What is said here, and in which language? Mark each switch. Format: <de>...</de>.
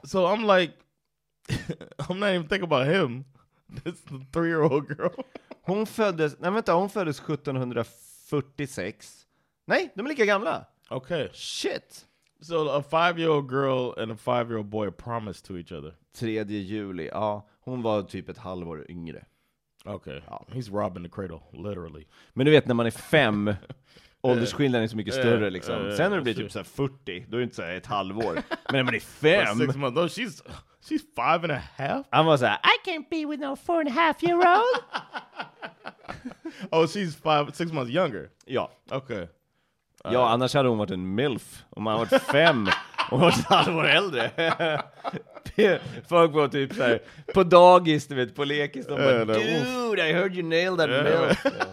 <en>So I'm like, I'm not even thinking about him. This is the 3-year-old girl.</en> <sv>Hon föddes, nej vänta, hon föddes 1746. Nej, de är lika gamla.</sv> <en>Okay. Shit. So a 5-year-old girl and a 5-year-old boy promised to each other.</en> <sv>3 juli, ja. Hon var typ ett halvår yngre.</sv> <en>Okay, ja. He's robbing the cradle, literally.</en> <sv>Men du vet, när man är 5, åldersskillnaden är så mycket större liksom. Sen när du blir typ så här 40, då är det inte så här ett halvår. Men när man är 5...</sv> <en>For 6 months, though, she's 5 and a half. I'm gonna say, I can't be with no 4 and a half year old. Oh, she's 5, 6 months younger.</en> <sv>Ja.</sv> <en>Okay.</en> <sv>Ja, annars hade hon varit en milf. Om man har varit 5 och hon har varit halvår äldre. Folk var typ såhär, på dagis, du vet, på lekis. De bara,</sv> <en>dude, I heard you nailed that milf.</en>